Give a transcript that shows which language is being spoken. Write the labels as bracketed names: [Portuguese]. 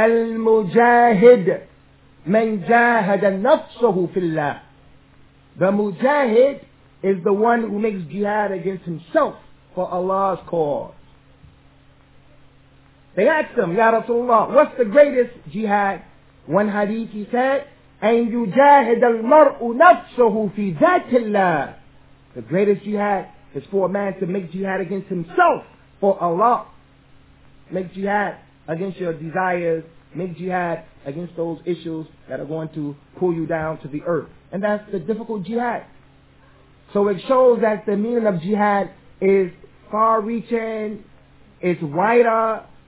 [Arabic] Al-Mujahid man jahada nafsuhu fillah. [English] The Mujahid is the one who makes jihad against himself for Allah's cause. They asked him, Ya Rasulullah, what's the greatest jihad? One hadith he said, [Arabic] أن يجاهد المرء نفسه في ذات الله. [English] The greatest jihad is for a man to make jihad against himself for Allah. Make jihad against your desires. Make jihad against those issues that are going to pull you down to the earth. And that's the difficult jihad. So it shows that the meaning of jihad is far-reaching, it's wider,